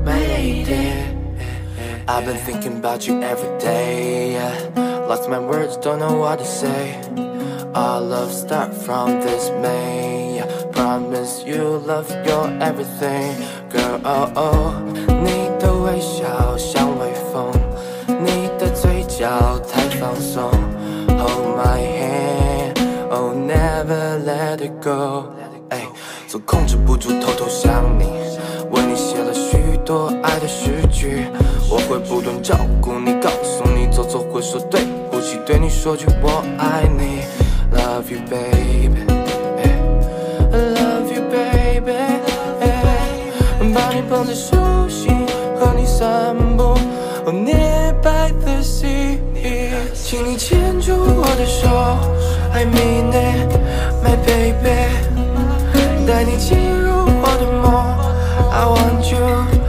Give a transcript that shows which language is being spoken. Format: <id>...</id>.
<en>I've been thinking about you every day, yeah. Lost my words, don't know what to say. Our love start from this May, yeah. Promise you love your everything, girl, oh oh.</en> <zh>你的微笑像微风，你的嘴角太放松。</zh> <en>Hold my hand, oh never let it go, hey.</en> <zh>总控制不住偷偷想你，为你写了许多爱的诗句。我会不断照顾你，告诉你走走会说对不起，对你说句我爱你。</zh> <en>Love you baby, I love you baby,</en> <zh>把你捧在手心和你散步</zh> <en>near by the sea,</en> <zh>请你牵住我的手，</zh> <en>I mean it, my baby,</en> <zh>带你进入我的梦，</zh> <en>I want you,</en>